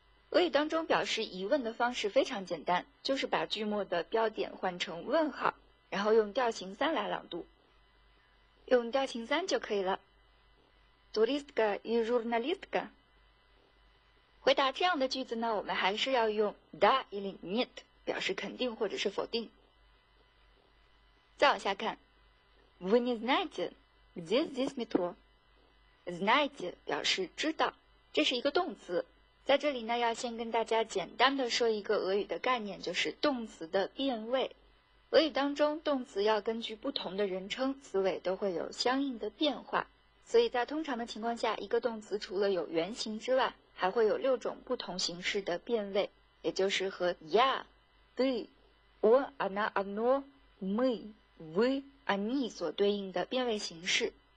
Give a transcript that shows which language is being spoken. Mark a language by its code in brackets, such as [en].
[zh] 俄语当中表示疑问的方式非常简单，就是把句末的标点换成问号，然后用调形三来朗读。用调形三就可以了。 [ru] Туристка и журналистка？ [zh] 回答这样的句子呢，我们还是要用 da 或 net 表示肯定或者是否定。再往下看 [ru] ，Вы не знаете где здесь метро？ [zh] Знаете 表示知道，这是一个动词。在这里呢，要先跟大家简单的说一个俄语的概念，就是动词的变位。俄语当中，动词要根据不同的人称，词尾都会有相应的变化。所以在通常的情况下，一个动词除了有原形之外，还会有六种不同形式的变位，也就是和 [ru] я、ты、он、она、оно、мы、вы、они [zh] 所对应的变位形式。